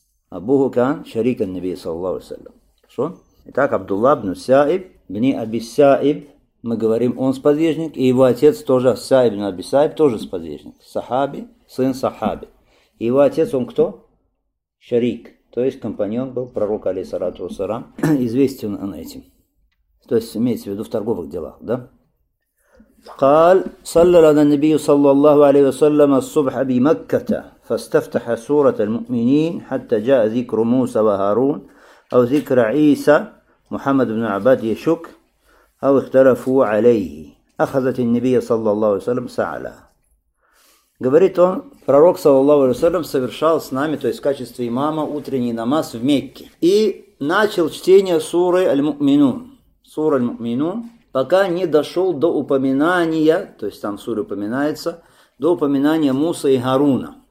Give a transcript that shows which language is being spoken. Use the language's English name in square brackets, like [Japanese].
[Arabic] Абу кан шарикан Наби саллаллаху алейхи ва саллям. [Russian] Хорошо? Итак, Абдулла ибн Саиб, ибн Аби Саиб, мы говорим, он сподвижник, и его отец тоже, Саиб ибн Аби Саиб, тоже сподвижник. Сахаби, сын Сахаби. И его отец, он кто? Шарик. То есть компаньон был пророка, алейхиссалату вассалам. Известен он этим. То есть имеется в виду в торговых делах, да? [Arabic] قال صلى على النبي صلى الله عليه وسلم الصبح بمكة فاستفتح سورة المؤمنين حتى جاء ذكر موسى وهارون أو ذكر عيسى محمد بن عباد يشك أو اختلفوا عليه أخذت النبي صلى الله عليه وسلم سعلا. [Russian] Говорит он, пророк саллаллаху алейхи ва саллям совершал с нами, то есть в качестве имама, утренний намаз в Мекке. И начал чтение суры Аль-Му'минун. Сура Аль-Му'минун. Пока не дошел до упоминания, то есть там в суре упоминается, до упоминания Муса и Гаруна.